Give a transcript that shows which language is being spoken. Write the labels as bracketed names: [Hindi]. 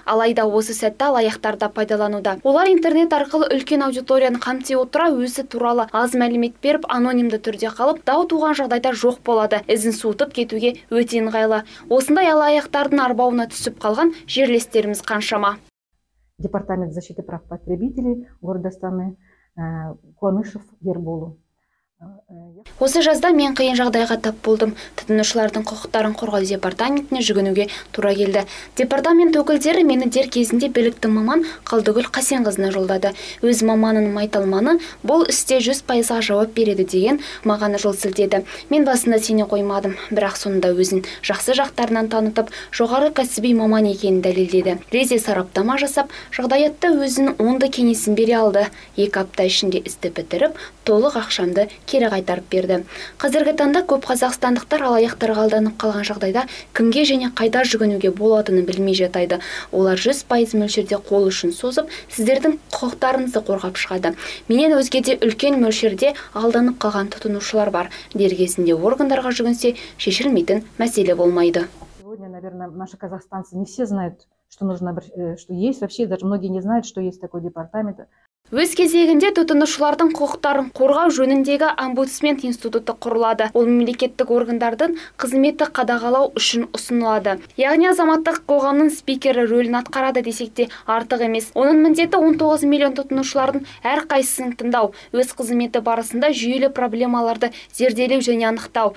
[Kazakh] Алайда осы сәтті алаяқтарда пайдалануда. Олар интернет арқылы үлкен аудиторияны қамти отыра, өзі туралы аз мәлімет беріп, анонимді түрде қалып, дау туған жағдайда жоқ болады. Ізін суытып кетуге өте ыңғайлы. Осындай алаяқтардың арбауына түсіп қалған жерлестеріміз қаншама. [Russian] Департамент защиты прав потребителей города Астаны Куанышев Ерболу. [Kazakh] Осы жазда мен қиын жағдайға тап болдым. Тұтынушылардың құқықтарын қорғау департаментіне жүгінуге тура келді. Департамент өкілдері мені дер кезінде білікті маман Қалдыгүл Қасенқызына жолдады. Өз маманының майталманы бұл істе 100% жауап береді деген маған жол сілтеді. Мен басында сене қоймадым, бірақ сонда өзін жақсы жақтарынан танытып, жоғары кәсіби маман екенін дәлелдеді. Резе сараптама жасап, жағдаятта өзінің оңды кеңесін бере алды. Екі апта ішінде істі бітіріп, толық ақшамды кері қайтарып берді. Қазіргі таңда көп қазақстандықтар алаяқтарға алданып қалған жағдайда кімге және қайда жүгінуге болатынын білмей жатады. Олар 100% мөлшерде қол үшін созып, сіздердің құқықтарыңызды қорғап шығады. Менен өзге де үлкен мөлшерде алданып қалған тұтынушылар бар. Дер кезінде органдарға жүгінсе, шешілмейтін мәселе болмайды. [Russian] Сегодня, наверное, наши казахстанцы не все знают, что нужно, что есть вообще, даже многие не знают, что есть такой департамент. [Kazakh] Өз кезегінде тұтынушылардың құқықтарын қорғау жөніндегі омбудсмен институты құрылады. Ол мемлекеттік органдардың қызметті қадағалау үшін ұсынылады. Яғни азаматтық қоғамның спикері рөлін атқарады десек те артық емес. Оның міндеті 19 миллион тұтынушылардың әр қайсысын тыңдау, өз қызметі барысында жүйелі проблемаларды зерделеу және анықтау.